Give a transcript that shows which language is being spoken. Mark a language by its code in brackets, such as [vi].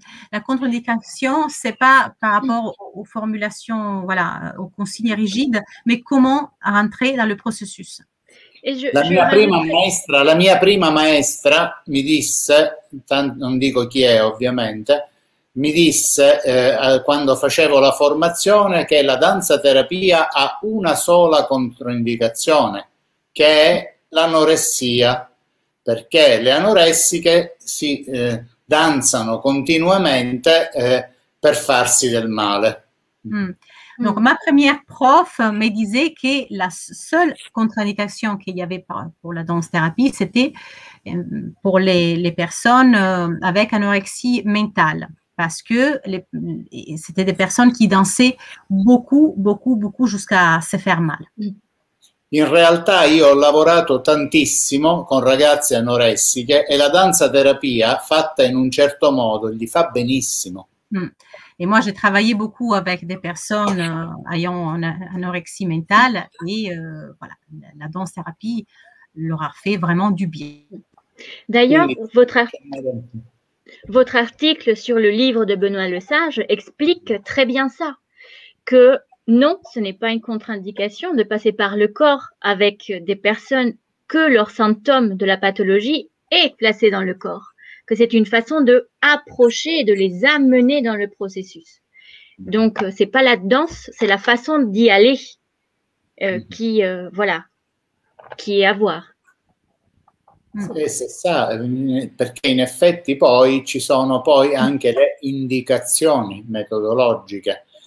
[fr] La contre-indication, c'est pas par rapport aux formulations, voilà, aux consignes rigides, mais comment rentrer dans le processus. Et [it] La [fr] je [it] mia prima [fr] rajouterai. [it] maestra, la mia prima maestra mi disse, tanto, non dico chi è ovviamente, mi disse quando facevo la formazione che la danza terapia ha una sola controindicazione, che è l'anoressia, perché le anoressiche si danzano continuamente per farsi del male. [fr] Donc, ma première prof me disait que la seule contre-indication qu'il y avait pour la danse-thérapie, c'était pour les personnes avec anorexie mentale. Parce que c'était des personnes qui dansaient beaucoup, beaucoup, beaucoup jusqu'à se faire mal. [it] In realtà io ho lavorato tantissimo con ragazze anoressiche e la danza terapia fatta in un certo modo gli fa benissimo. [fr] Et moi, j'ai travaillé beaucoup avec des personnes ayant anorexie mentale et voilà, la danse-thérapie leur a fait vraiment du bien. D'ailleurs, [it] Quindi, [fr] votre article sur le livre de Benoît Lesage explique très bien ça, que non, ce n'est pas une contre-indication de passer par le corps avec des personnes que leurs symptômes de la pathologie est placé dans le corps. Que c'est une façon de approcher et de les amener dans le processus. Donc, c'est pas la danse, c'est la façon d'y aller qui voilà, qui est à voir. c'est ça, [it] perché in effetti poi ci sono poi anche le indicazioni metodologiche.